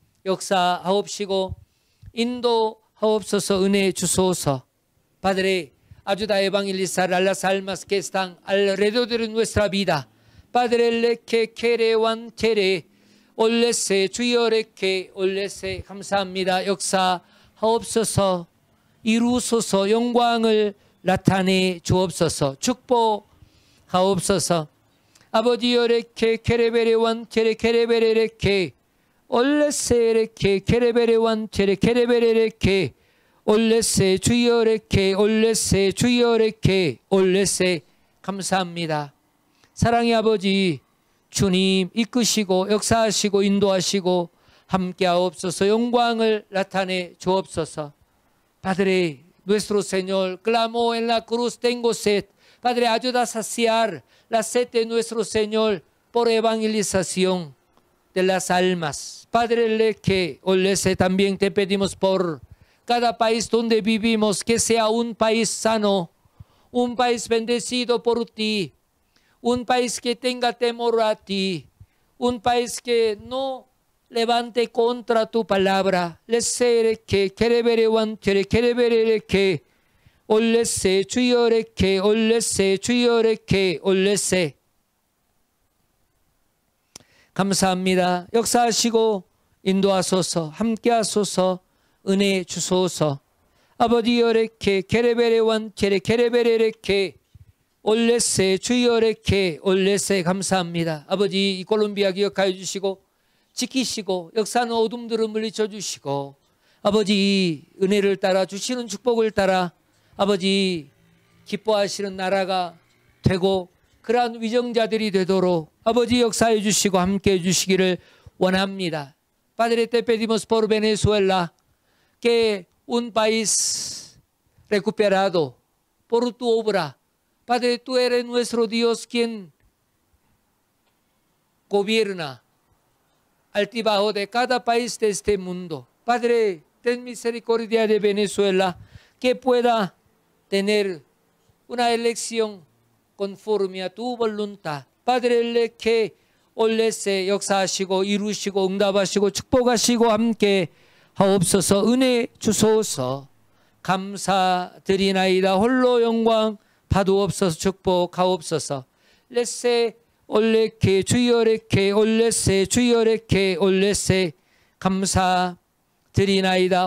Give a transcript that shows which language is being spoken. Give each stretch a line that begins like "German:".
Korean: 역사 하옵시고 인도 하옵소서 은혜 주소서.
Spanish: Padre ayuda a evangelizar a las almas que están alrededor de nuestra vida. Padre le que quiere wan quiere olese chuyore que olese gracias.
Korean: 역사 하옵소서 이루소서 영광을 나타내 주옵소서 축복하옵소서 아버지여레케 케레베레완 케레 케레베레레케 올레세레케 케레베레완 케레 케레베레레케 올레세 주여레케 올레세 주여레케 올레세 감사합니다 사랑의 아버지 주님 이끄시고 역사하시고 인도하시고 함께하옵소서 영광을 나타내 주옵소서
Spanish: Padre, nuestro Señor clamó en la cruz, tengo sed. Padre, ayuda a saciar la sed de nuestro Señor por evangelización de las almas. Padre, le que olese, también te pedimos por cada país donde vivimos, que sea un país sano, un país bendecido por ti, un país que tenga temor a ti, un país que no levante contra tu palabra. Les seré que quiere ver Juan, quiere ver que olese chuyore que olese chuyore que olese. Gracias.
Korean: 역사하시고 인도하소서 함께하소서 은혜 주소서 아버지여레 que quiere ver Juan, quiere ver que olese chuyore que olese.
Spanish: Gracias.
Korean: 아버지 이 콜롬비아 기억하여 주시고 지키시고 역사는 어둠들을 물리쳐 주시고 아버지 은혜를 따라 주시는 축복을 따라 아버지 기뻐하시는 나라가 되고 그러한 위정자들이 되도록 아버지 역사해 주시고 함께해 주시기를 원합니다.
Spanish: Padre te pedimos por Venezuela que un país recuperado por tu obra. Padre tú eres nuestro Dios quien gobierna altibajo de cada país de este mundo. Padre, ten misericordia de Venezuela, que pueda tener una elección conforme a tu voluntad. Padre, le que
Korean: 올레세 역사하시고 이루시고 응답하시고 축복하시고 함께 하옵소서. 은혜 주소서. 감사드리나이다. 홀로 영광 받으옵소서. 축복하옵소서. 레세 올레케 주여레케 올레세 주여레케 올레세 감사드리나이다.